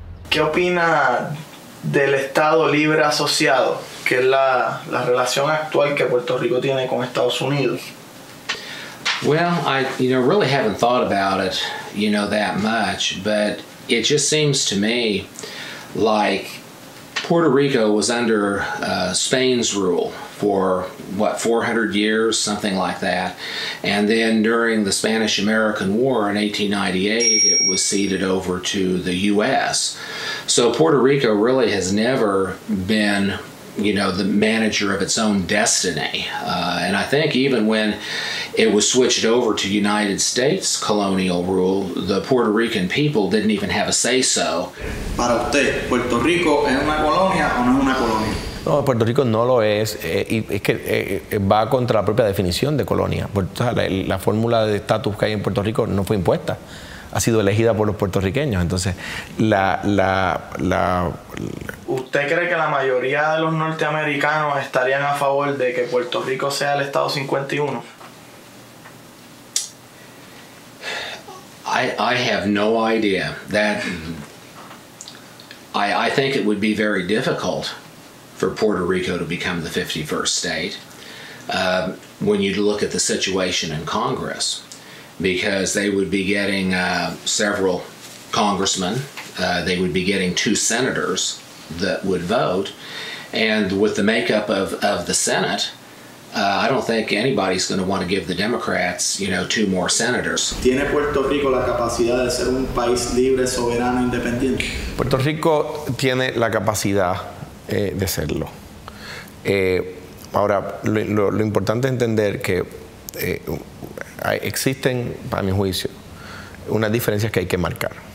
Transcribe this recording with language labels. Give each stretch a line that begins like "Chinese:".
Spanish: ¿Qué opina del Estado Libre Asociado, que es la relación actual que Puerto Rico tiene con Estados Unidos?
English: Well, I really haven't thought about it, you know, that much, but it just seems to me like Puerto Rico was under Spain's rule for, what, 400 years, something like that. And then during the Spanish-American War in 1898, it was ceded over to the U.S. So Puerto Rico really has never been, you know, the manager of its own destiny. And I think even when it was switched over to United States colonial rule, the Puerto Rican people didn't even have a say-so.
Spanish: Para usted, ¿Puerto Rico es una colonia o no es una colonia? No, Puerto Rico no lo es, y es que va contra la propia definición de colonia. La fórmula de estatus que hay en Puerto Rico no fue impuesta, ha sido elegida por los puertorriqueños. Entonces, ¿usted cree que la mayoría de los norteamericanos estarían a favor de que Puerto Rico sea el Estado 51?
English: I have no idea. That I think it would be very difficult for Puerto Rico to become the 51st state when you look at the situation in Congress, because they would be getting several congressmen, they would be getting two senators that would vote, and with the makeup of the Senate, I don't think anybody's going to want to give the Democrats, you know, two more senators.
Spanish: ¿Tiene Puerto Rico la capacidad de ser un país libre, soberano, independiente? Puerto Rico tiene la capacidad de serlo. Ahora, lo importante es entender que existen, para mi juicio, unas diferencias que hay que marcar.